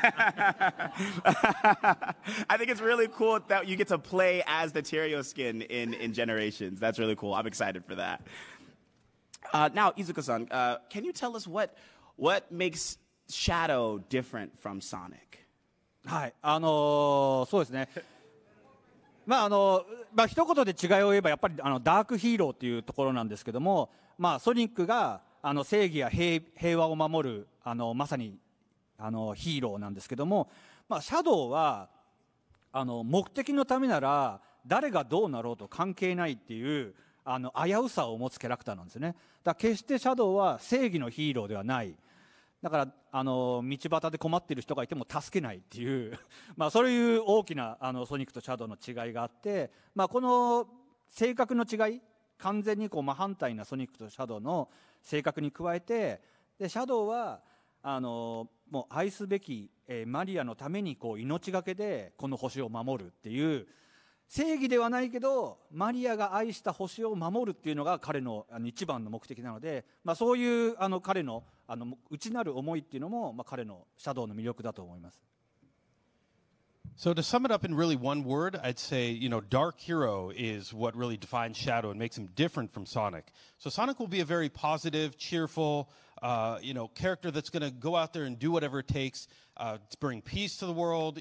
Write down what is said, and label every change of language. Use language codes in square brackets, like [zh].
[en] I think it's really cool that you get to play as the Terios skin in Generations. That's really cool. I'm excited for that. Now, Izuka-san, can you tell us what makes Shadow different from Sonic? [ja] はい、そうですね。まあ、一言で違いを言えばやっぱりダークヒーローっていうところなんですけども、まあ、ソニックが正義や平和を守るまさにヒーローなんですけども、まあ、シャドウは目的のためなら誰がどうなろうと関係ないっていう危うさを持つキャラクターなんですね。だから決してシャドウは正義のヒーローではない。だから道端で困ってる人がいても助けないっていう、まあ、そういう大きなソニックとシャドウの違いがあって、まあ、この性格の違い、完全にこう真反対なソニックとシャドウの性格に加えて、でシャドウはもう愛すべき、マリアのためにこう命がけでこの星を守るっていう、正義ではないけどマリアが愛した星を守るっていうのが彼 の一番の目的なので、まあ、そういう彼の内なる思いっていうのも、まあ、彼のシャドウの魅力だと思います。 [en] So to sum it up in really one word, I'd say, you know, dark hero is what really defines Shadow and makes him different from Sonic. So Sonic will be a very positive, cheerful, you know, character that's going to go out there and do whatever it takes to bring peace to the world.